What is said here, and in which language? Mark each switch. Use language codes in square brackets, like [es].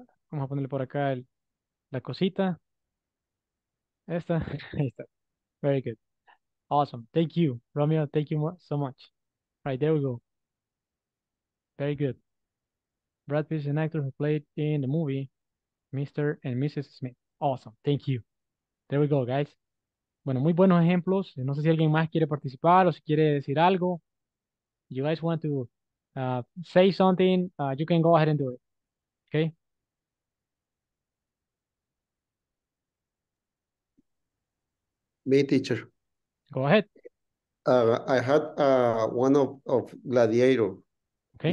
[es] Vamos a ponerle por acá el, la cosita. Esta. Ahí está. [en] Very good. Awesome. Thank you, Romeo. Thank you so much. All right, there we go. Very good. Brad Pitt is an actor who played in the movie Mr. and Mrs. Smith. Awesome. Thank you. There we go, guys. [es] Bueno, muy buenos ejemplos. No sé si alguien más quiere participar o si quiere decir algo. [en] You guys want to say something, you can go ahead and do it. Okay? Me, teacher. Go ahead. I had one of Gladiator. Okay.